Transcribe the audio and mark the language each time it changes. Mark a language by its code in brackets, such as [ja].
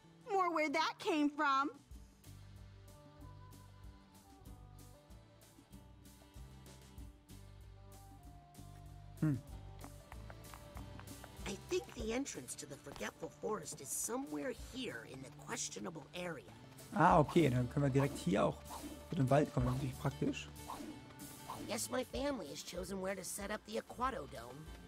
[en] More where that came from. I think the entrance to the Forgetful Forest is somewhere here in the questionable area. [de] Ah, okay, dann können wir direkt hier auch in den Wald kommen, natürlich praktisch. [en] Yes, my family has chosen where to set up the Aquato Dome.